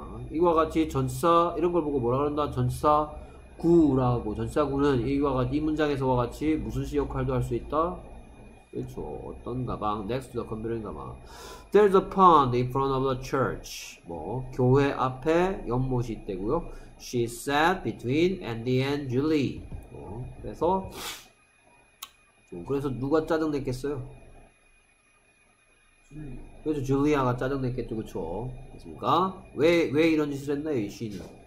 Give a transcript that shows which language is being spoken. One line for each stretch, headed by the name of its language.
Korean: 이와 같이 전치사 이런 걸 보고 뭐라 그런다? 전치사구라고. 전치사구는 이와 같이 이 문장에서와 같이 무슨 시 역할도 할 수 있다? 그렇죠. 어떤 가방?
English: Next to the computer
Korean: 가방.
English: There's a pond in front of the church.
Korean: 뭐 교회 앞에 연못이 있대고요.
English: She sat between Andy and Julie.
Korean: 뭐, 그래서 그래서 누가 짜증 냈겠어요? 그래서 줄리아가 짜증 냈겠죠, 그렇죠? 그렇습니까? 왜 이런 짓을 했나요, 이 시인은?